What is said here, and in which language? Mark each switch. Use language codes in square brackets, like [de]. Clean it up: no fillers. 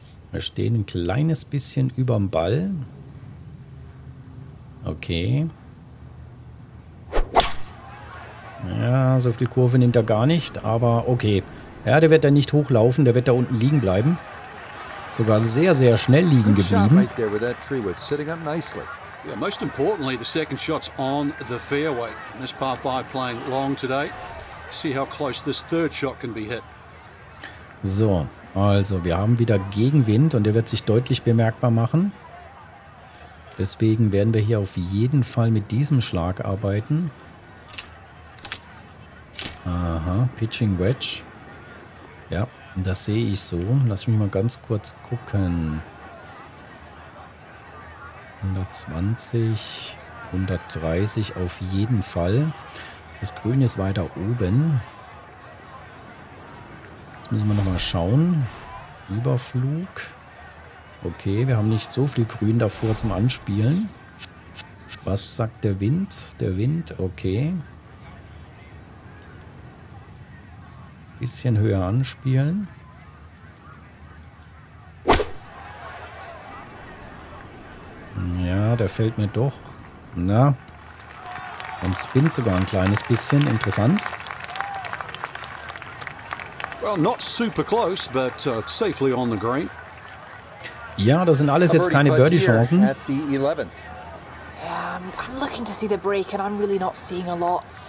[de] Wir stehen ein kleines bisschen über dem Ball. Okay. Ja, so viel Kurve nimmt er gar nicht, aber okay. Ja, der wird da nicht hochlaufen, der wird da unten liegen bleiben. Sogar sehr, sehr schnell liegen geblieben. [en] Good shot right there with that three wood, sitting up nicely. Yeah, most importantly, the second shot's on the fairway. This par 5 playing long today. See how close this third shot can be hit. [de] So, also wir haben wieder Gegenwind und der wird sich deutlich bemerkbar machen. Deswegen werden wir hier auf jeden Fall mit diesem Schlag arbeiten. Aha, Pitching Wedge. Ja, das sehe ich so. Lass mich mal ganz kurz gucken. 120, 130 auf jeden Fall. Das Grün ist weiter oben. Jetzt müssen wir nochmal schauen. Überflug. Okay, wir haben nicht so viel Grün davor zum Anspielen. Was sagt der Wind? Der Wind, okay. Bisschen höher anspielen. Ja, der fällt mir doch. Na, und spinnt sogar ein kleines bisschen. Interessant. [en] Well, not super close, but safely on the green. [de] Ja, das sind alles jetzt keine Birdie-Chancen. [en] I'm looking to see the break and I'm really not seeing a lot.